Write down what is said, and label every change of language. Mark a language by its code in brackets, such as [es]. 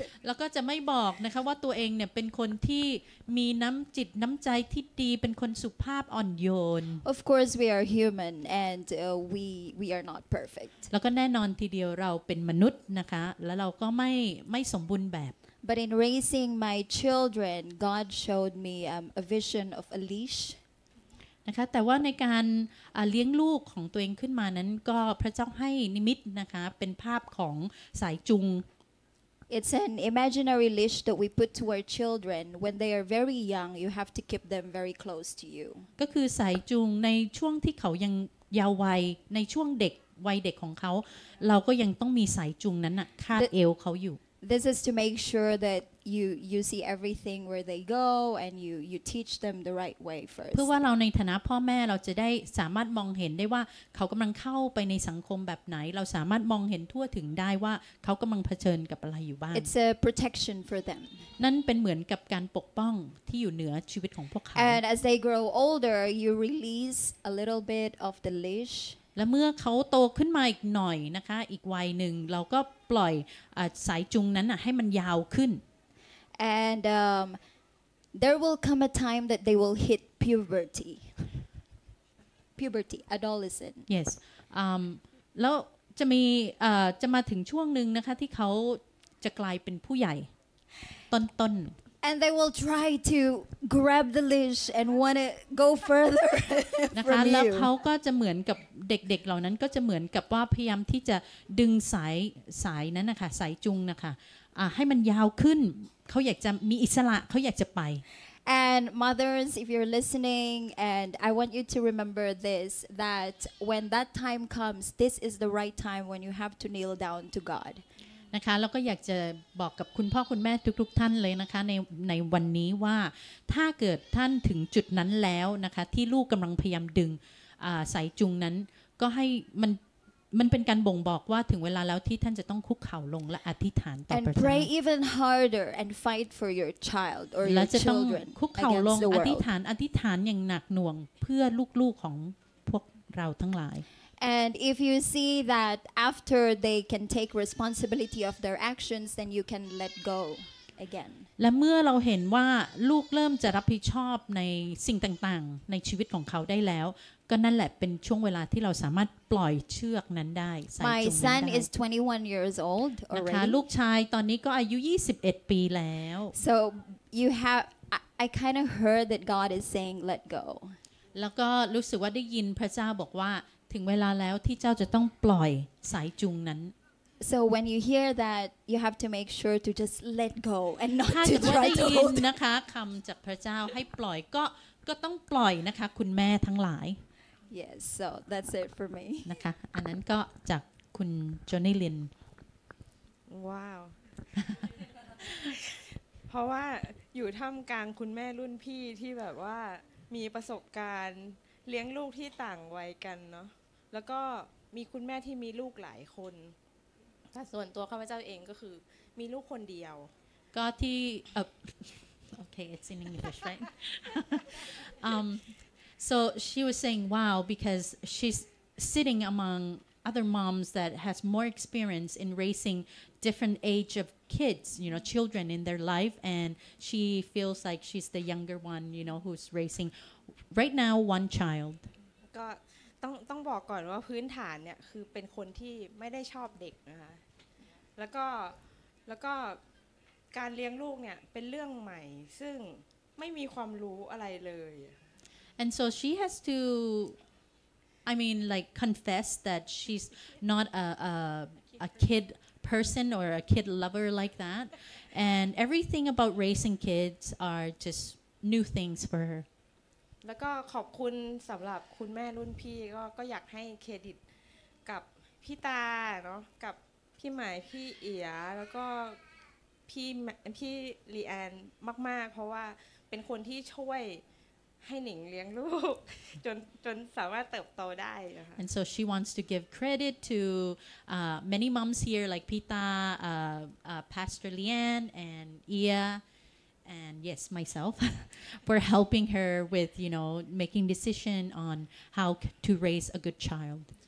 [th] แล้วก็จะไม่บอกนะคะว่าตัวเองเนี่ยเป็นคนที่มีน้ำจิตน้ำใจที่ดีเป็นคนสุภาพอ่อนโยน [en] Of course we are human and we are not perfect [th] แล้วก็แน่นอนทีเดียวเราเป็นมนุษย์นะคะแล้วเราก็ไม่สมบูรณ์แบบ [en] But in raising my children, God showed me a vision of a leash. [th] นะคะแต่ว่าในการเลี้ยงลูกของตัวเองขึ้นมานั้นก็พระเจ้าให้นิมิตนะคะเป็นภาพของสายจูง [en] It's an imaginary leash that we put to our children when they are very young. You have to keep them very close to you. [th] ก็คือสายจูงในช่วงที่เขายังเยาว์วัยในช่วงเด็กวัยเด็กของเขาเราก็ยังต้องมีสายจูงนั้นคาดเอวเขาอยู่ [en] This is to make sure that you see everything where they go and you teach them the right way first. [th] เพื่อว่าเราในฐานะพ่อแม่เราจะได้สามารถมองเห็นได้ว่าเขากำลังเข้าไปในสังคมแบบไหนเราสามารถมองเห็นทั่วถึงได้ว่าเขากำลังเผชิญกับอะไรอยู่บ้าง [en] It's a protection for them. [th] นั่นเป็นเหมือนกับการปกป้องที่อยู่เหนือชีวิตของพวกเขา [en] And as they grow older, you release a little bit of the leash. [th] และเมื่อเขาโตขึ้นมาอีกหน่อยนะคะอีกวัยหนึ่งเราก็ปล่อยสายจุงนั้นให้มันยาวขึ้น [en] and there will come a time that they will hit puberty. Puberty, adolescent. Yes. [th] แล้วจะมีจะมาถึงช่วงนึงนะคะที่เขาจะกลายเป็นผู้ใหญ่ต้นต้น [en] And they will try to grab the leash and want to go further. [th] นะคะแล้วเขาก็จะเหมือนกับเด็กๆเหล่านั้นก็จะเหมือนกับว่าพยายามที่จะดึงสายนั้นนะคะสายจุงนะคะให้มันยาวขึ้นเขาอยากจะมีอิสระเขาอยากจะไป [en] And mothers, if you're listening, and I want you to remember this, that when that time comes, this is the right time when you have to kneel down to God. [th] นะคะแล้วก็อยากจะบอกกับคุณพ่อคุณแม่ทุกๆท่านเลยนะคะในวันนี้ว่าถ้าเกิดท่านถึงจุดนั้นแล้วนะคะที่ลูกกำลังพยายามดึงสายจุงนั้นก็ให้มันเป็นการบ่งบอกว่าถึงเวลาแล้วที่ท่านจะต้องคุกเข่าลงและอธิษฐานต่อพระเจ้า [en] And pray even harder and fight for your child or your children [th] และจะต้องคุกเข่าลงอธิษฐานอย่างหนักหน่วงเพื่อลูกๆของพวกเราทั้งหลาย [en] And if you see that after they can take responsibility of their actions then you can let go again [th] และเมื่อเราเห็นว่าลูกเริ่มจะรับผิดชอบในสิ่งต่างๆในชีวิตของเขาได้แล้วก็นั่นแหละเป็นช่วงเวลาที่เราสามารถปล่อยเชือกนั้นได้ [en] My son is 21 years old already [th] นะคะลูกชายตอนนี้ก็อายุ21ปีแล้ว [en] So you have I kind of heard that God is saying let go [th] แล้วก็รู้สึกว่าได้ยินพระเจ้าบอกว่าถึงเวลาแล้วที่เจ้าจะต้องปล่อยสายจูงนั้น [en] So when you hear that, you have to make sure to just let go and not to try to hold. [th] นะคะคำจากพระเจ้าให้ปล่อยก็ต้องปล่อยนะคะคุณแม่ทั้งหลาย [en] Yes, so that's it for me. [th] นะคะอันนั้นก็จากคุณจอนนี่ลิน ว้าวเพราะว่าอยู่ท่ามกลางคุณแม่รุ่นพี่ที่แบบว่ามีประสบการณ์เลี้ยงลูกที่ต่างวัยกันเนาะแล้วก็มีคุณแม่ที่มีลูกหลายคนถ้าส่วนตัวข้าพเจ้าเองก็คือมีลูกคนเดียว [en] ก็ที่okay it's in English right so she was saying wow because she's sitting among other moms that has more experience in raising different age of kids you know children in their life and she feels like she's the younger one you know who's raising right now one child [th] ก็ต้องบอกก่อนว่าพื้นฐานเนี่ยคือเป็นคนที่ไม่ได้ชอบเด็กนะคะแล้วก็การเลี้ยงลูกเนี่ยเป็นเรื่องใหม่ซึ่งไม่มีความรู้อะไรเลย [en] And so she has to I mean like confess that she's not a kid person or a kid lover like that and everything about raising kids are just new things for her [th] แล้วก็ขอบคุณสำหรับคุณแม่รุ่นพี่ก็อยากให้เครดิตกับพี่ตาเนาะกับพี่หมายพี่เอียแล้วก็พี่ลีแอนมากๆเพราะว่าเป็นคนที่ช่วยให้หนิงเลี้ยงลูกจนสามารถเติบโตได้นะคะ [en] And so she wants to give credit to many moms here like Pita Pastor Leanne and Ia and yes myself for helping her with you know making decision on how to raise a good child